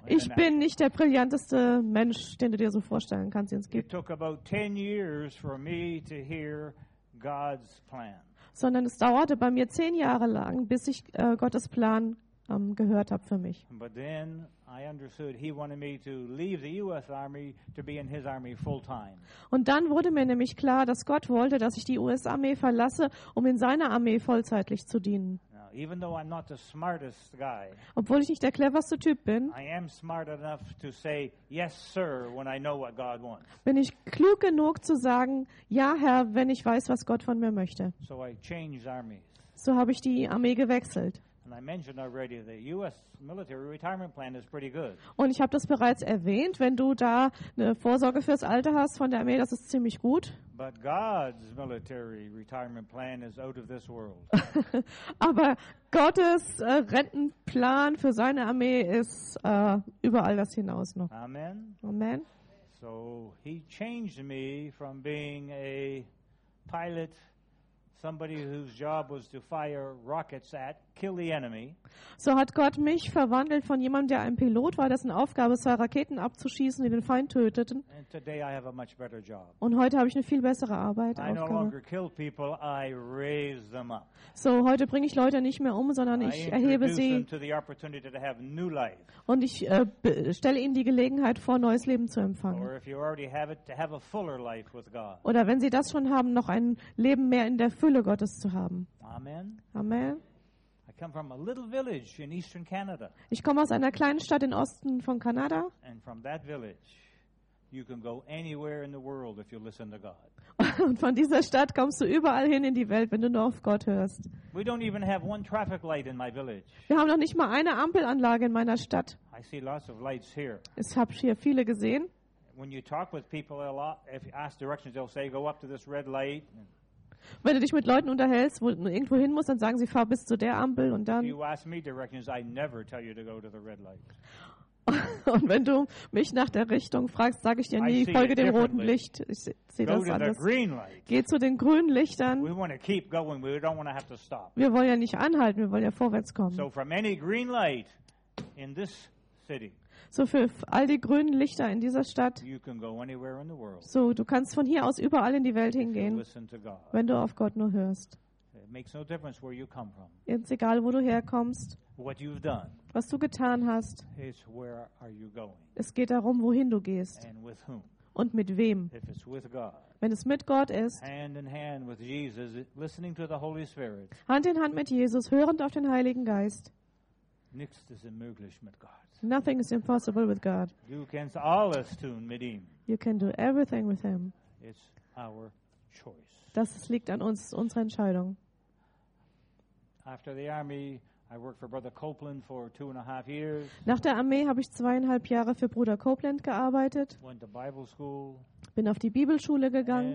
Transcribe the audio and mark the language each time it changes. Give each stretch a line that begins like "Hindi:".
German: ich bin nicht der brillanteste Mensch, den du dir so vorstellen kannst, den es gibt.
English: It took about 10 years for me to hear God's plan.
German: Sondern es dauerte bei mir 10 Jahre lang, bis ich Gottes Plan gehört habe für mich.
English: But then I understood he wanted me to leave the US Army to be in his army full time.
German: Und dann wurde mir nämlich klar, dass Gott wollte, dass ich die US Armee verlasse, um in seiner Armee vollzeitlich zu dienen.
English: Now, even though I'm not the smartest guy.
German: Obwohl ich nicht der cleverste Typ bin.
English: I am smart enough to say yes, sir, when I know what God wants.
German: Bin ich klug genug zu sagen, ja, Herr, wenn ich weiß, was Gott von mir möchte.
English: So I changed armies.
German: So habe ich die Armee gewechselt.
English: And I mentioned already the US military retirement plan is pretty good.
German: Und ich habe das bereits erwähnt, wenn du da eine Vorsorge fürs Alter hast von der Armee, das ist ziemlich gut.
English: But God's military retirement plan is out of this world.
German: Aber Gottes Rentenplan für seine Armee ist über all das hinaus noch.
English: Amen.
German: Amen.
English: So he changed me from being a pilot, somebody whose job was to fire rockets at, kill the enemy.
German: So hat Gott mich verwandelt von jemandem, der ein Pilot war, dessen Aufgabe es war, Raketen abzuschießen, die den Feind töteten.
English: And today I have a much better job.
German: Und heute habe ich eine viel bessere Arbeit.
English: I no longer kill people, I raise them up.
German: So heute bringe ich Leute nicht mehr um, sondern ich erhebe sie.
English: To the opportunity to have new life.
German: Und ich stelle ihnen die Gelegenheit vor, neues Leben zu empfangen.
English: Or if you already have it, to have a fuller life with God.
German: Oder wenn sie das schon haben, noch ein Leben mehr in der Fülle Gottes zu haben.
English: Amen.
German: Amen.
English: I come from a little village in eastern Canada.
German: Ich komme aus einer kleinen Stadt im Osten von Kanada.
English: And from that village, you can go anywhere in the world if you listen to God.
German: Und von dieser Stadt kommst du überall hin in die Welt, wenn du nur auf Gott hörst.
English: We don't even have one traffic light in my village.
German: Wir haben noch nicht mal eine Ampelanlage in meiner Stadt.
English: I see lots of lights here.
German: Ich habe hier viele gesehen.
English: When you talk with people a lot, if you ask directions, they'll say, go up to this red light.
German: Wenn du dich mit Leuten unterhältst, wo du irgendwo hin musst, dann sagen sie, fahr bis zu der Ampel und dann.
English: You ask me directions, I never tell you to go to the red light.
German: Und wenn du mich nach der Richtung fragst, sage ich dir nie, folge dem roten Licht. Ich sehe das anders. Geh zu den grünen Lichtern.
English: We want to keep going. We don't want to have to stop.
German: Wir wollen ja nicht anhalten, wir wollen ja vorwärts kommen.
English: So from any green light in this city.
German: So für all die grünen Lichter in dieser Stadt.
English: You can go anywhere in the world.
German: So, du kannst von hier aus überall in die Welt hingehen, wenn du auf Gott nur hörst.
English: It makes no difference where you come from.
German: Ist egal, wo du herkommst.
English: What you've done,
German: was du getan hast.
English: Is where are you going.
German: Es geht darum, wohin du gehst.
English: And with whom.
German: Und mit wem.
English: If it's with God,
German: wenn es mit Gott ist.
English: Hand in hand with Jesus, listening to the Holy Spirit,
German: Hand in Hand mit Jesus, hörend auf den Heiligen Geist. Nichts ist unmöglich mit Gott.
English: Nothing is impossible with God.
German: Du kannst alles tun mit ihm.
English: You can do everything with him. It's our choice.
German: Das liegt an uns, unsere Entscheidung.
English: After the army, I worked for Brother Copeland for 2.5 years.
German: Nach der Armee habe ich 2.5 Jahre für Bruder Copeland gearbeitet.
English: Went to Bible school.
German: Bin auf die Bibelschule gegangen.